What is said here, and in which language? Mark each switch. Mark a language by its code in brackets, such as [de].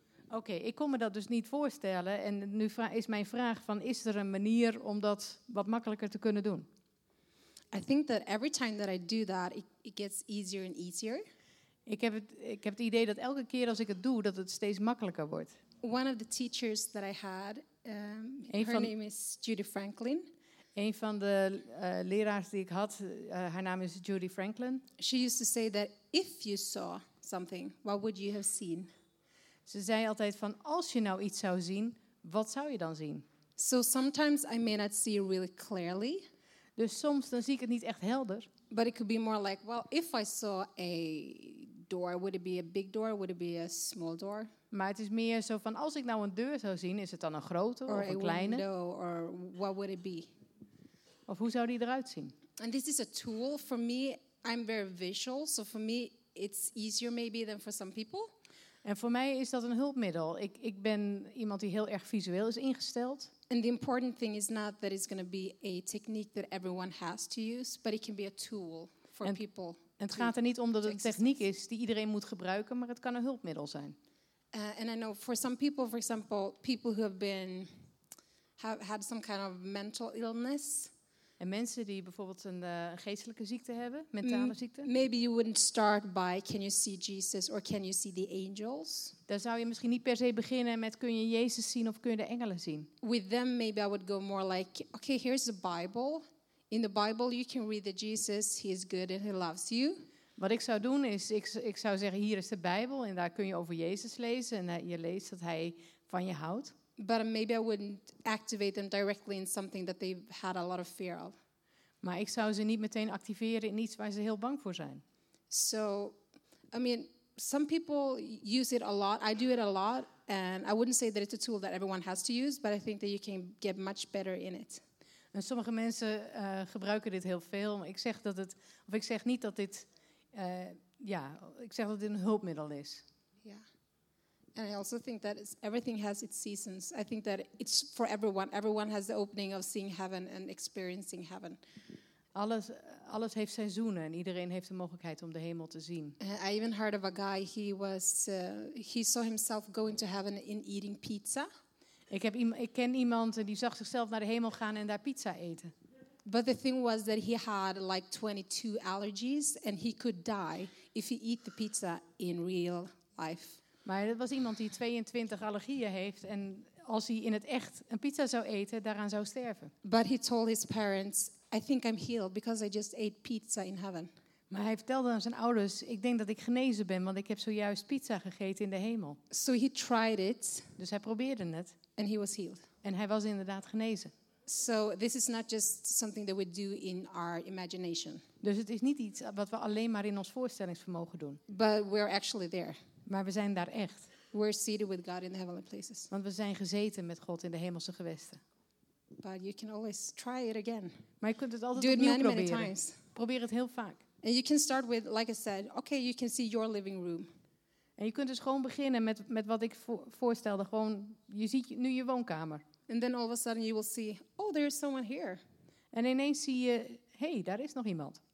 [nl] Oké, ik kon me dat dus niet voorstellen. En nu is mijn vraag van, is er een manier om dat wat makkelijker te kunnen doen? [en] I think that every time that I do that, it gets easier and easier. [nl] Ik heb het idee dat elke keer als ik het doe, dat het steeds makkelijker wordt. [en] One of the teachers that I had, her name is Judy Franklin. [nl] Een van de leraars die ik had, haar naam is Judy Franklin. [en] She used to say that if you saw something, what would you have seen? [nl] Ze zei altijd van, als je nou iets zou zien, wat zou je dan zien? [en] So sometimes I may not see really clearly. [nl] Dus soms dan zie ik het niet echt helder. [en] But it could be more like, well, if I saw a door, would it be a big door, would it be a small door? [nl] Maar het is meer zo van, als ik nou een deur zou zien, is het dan een grote [en] or [nl] of een kleine? [en] Window, or what would it be? [nl] Of hoe zou die eruit zien? [en] And this is a tool. For me, I'm very visual. So for me, it's easier maybe than for some people. [nl] En voor mij is dat een hulpmiddel. Ik ben iemand die heel erg visueel is ingesteld. [en] And the important thing is not that it's going to be a technique that everyone has to use, but it can be a tool for people. [nl] En het gaat er niet om dat het een techniek is die iedereen moet gebruiken, maar het kan een hulpmiddel zijn. [en] And I know for some people, for example, people who have had some kind of mental illness. [nl] En mensen die bijvoorbeeld een geestelijke ziekte hebben, mentale ziekte. [en] Maybe you wouldn't start by can you see Jesus or can you see the angels? [nl] Dan zou je misschien niet per se beginnen met kun je Jezus zien of kun je de engelen zien. [en] With them maybe I would go more like okay, here's the Bible. In the Bible you can read that Jesus, he is good and he loves you. [nl] Wat ik zou doen is ik zou zeggen hier is de Bijbel en daar kun je over Jezus lezen en je leest dat hij van je houdt. [en] But maybe I wouldn't activate them directly in something that they've had a lot of fear of. [nl] Maar ik zou ze niet meteen activeren in iets waar ze heel bang voor zijn. [en] So, I mean, some people use it a lot. I do it a lot. And I wouldn't say that it's a tool that everyone has to use. But I think that you can get much better in it. [nl] En sommige mensen gebruiken dit heel veel. Ik zeg dat dit een hulpmiddel is. [en] And I also think that everything has its seasons. I think that it's for everyone. Everyone has the opening of seeing heaven and experiencing heaven. [nl] Alles heeft seizoenen en iedereen heeft de mogelijkheid om de hemel te zien. [en] I even heard of a guy, he saw himself going to heaven and eating pizza. [nl] Ik ken iemand die zag zichzelf naar de hemel gaan en daar pizza eten. [en] But the thing was that he had like 22 allergies and he could die if you eat the pizza in real life. [nl] Maar dat was iemand die 22 allergieën heeft en als hij in het echt een pizza zou eten, daaraan zou sterven. [en] But he told his parents, I think I'm healed because I just ate pizza in heaven. [nl] Maar hij vertelde aan zijn ouders, ik denk dat ik genezen ben, want ik heb zojuist pizza gegeten in de hemel. [en] So he tried it. [nl] Dus hij probeerde het. [en] And he was healed. [nl] En hij was inderdaad genezen. [en] So this is not just something that we do in our imagination. [nl] Dus het is niet iets wat we alleen maar in ons voorstellingsvermogen doen. [en] But we're actually there. [nl] Maar we zijn daar echt. [en] We're seated with God in the heavenly places. [nl] Want we zijn gezeten met God in de hemelse gewesten. [en] But you can always try it again. [nl] Maar je kunt het altijd opnieuw proberen. [en] Many times. [nl] Probeer het heel vaak. [en] And you can start with, like I said, okay, you can see your living room. [nl] En je kunt dus gewoon beginnen met wat ik voorstelde. Gewoon, je ziet nu je woonkamer. [en] And then all of a sudden you will see, oh, there is someone here. [nl] En ineens zie je, hey, daar is nog iemand.